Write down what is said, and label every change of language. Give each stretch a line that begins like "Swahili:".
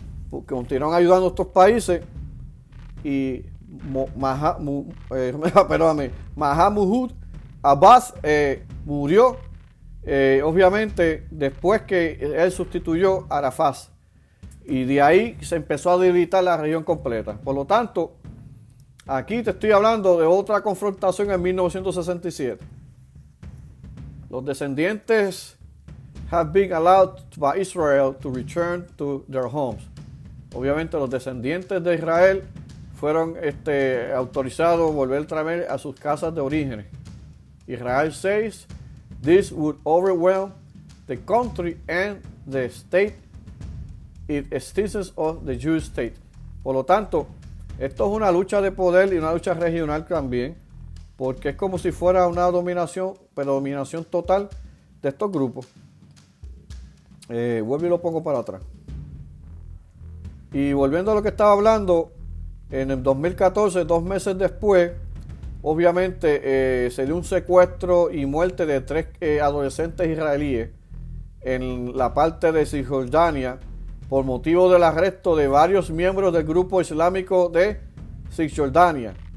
Spanish: Porque continuaron ayudando a estos países y Mahmoud Abbas murió, obviamente, después que él sustituyó a Arafat. Y de ahí se empezó a debilitar la región completa. Por lo tanto, aquí te estoy hablando de otra confrontación en 1967. Los descendientes
English: have been allowed by Israel to return to their homes.
Spanish: Obviamente, los descendientes de Israel fueron autorizados a volver otra vez a sus casas de origen.
English: Israel says this would overwhelm the country and the state it exists of the Jewish state.
Spanish: Por lo tanto, esto es una lucha de poder y una lucha regional también, porque es como si fuera una dominación, predominación total de estos grupos. Vuelvo y lo pongo para atrás. Y volviendo a lo que estaba hablando, en el 2014, dos meses después, obviamente se dio un secuestro y muerte de tres adolescentes israelíes en la parte de Cisjordania por motivo del arresto de varios miembros del grupo islámico de Cisjordania.